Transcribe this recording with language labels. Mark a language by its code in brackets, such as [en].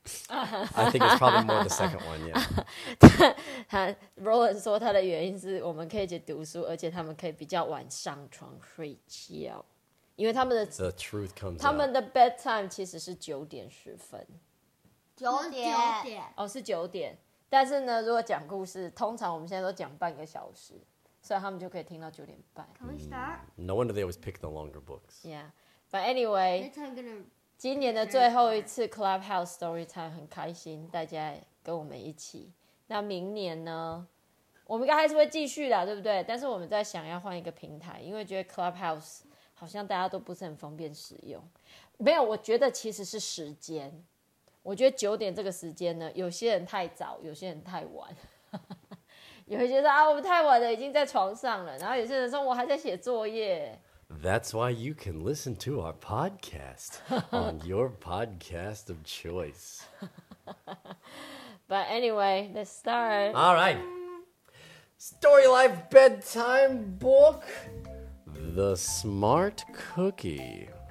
[en] I think it's probably more the second one. Yeah. [zh] 他 Roland 说他的原因是我们可以一起读书，而且他们可以比较晚上床睡觉，因为他们的 [en] The truth comes out. [zh] 他们的 bedtime 其实是9:10。九点哦，是九点。但是呢，如果讲故事，通常我们现在都讲半个小时，所以他们就可以听到9:30。 [en] Can we start? No wonder they always pick the longer books. Yeah, but anyway, [zh] 今年的最后一次 Clubhouse Story Time 很开心，大家跟我们一起。那明年呢，我们应该还是会继续的，对不对？但是我们在想要换一个平台，因为觉得 Clubhouse 好像大家都不是很方便使用。没有，我觉得其实是时间。我觉得九点这个时间呢，有些人太早，有些人太晚，有些人说啊，我们太晚了，已经在床上了。然后有些人说，我还在写作业。 [en] That's why you can listen to our podcast on your podcast of choice. But anyway, let's start. All right, Story Life bedtime book, The Smart Cookie.